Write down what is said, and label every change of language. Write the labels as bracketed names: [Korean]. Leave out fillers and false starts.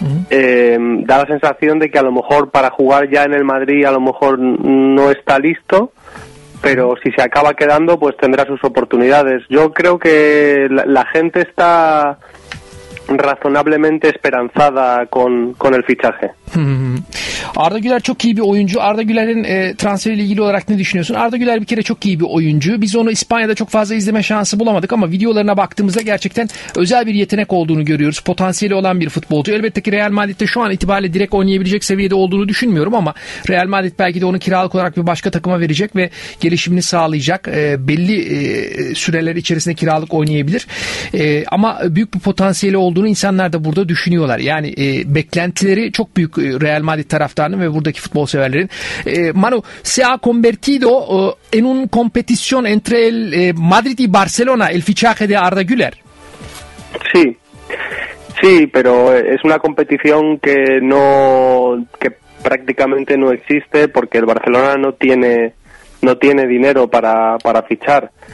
[Spanish] Da la sensación de que a lo mejor para jugar ya en el Madrid a lo mejor no está listo, pero si se acaba quedando pues tendrá sus oportunidades. Yo creo que la gente está razonablemente esperanzada con el fichaje. [Turkish] Arda Güler çok iyi bir oyuncu. Arda Güler'in transferiyle ilgili olarak ne düşünüyorsun? Arda Güler bir kere çok iyi bir oyuncu. Biz onu İspanya'da çok fazla izleme şansı bulamadık ama videolarına baktığımızda gerçekten özel bir yetenek olduğunu görüyoruz. Potansiyeli olan bir futbolcu. Elbette ki Real Madrid'de şu an itibariyle direkt oynayabilecek seviyede olduğunu düşünmüyorum ama Real Madrid belki de onu kiralık olarak bir başka takıma verecek ve gelişimini sağlayacak. Belli süreler içerisinde kiralık oynayabilir. Ama büyük bir potansiyeli olduğunu insanlar da burada düşünüyorlar. Yani beklentileri çok büyük Real Madrid tarafta ve buradaki futbol severlerin. [Spanish] Manu, se ha convertido en un competición entre el Madrid y Barcelona el fichaje de Arda Güler. Sí. Sí, pero es una competición que prácticamente no existe porque el Barcelona no tiene dinero para fichar.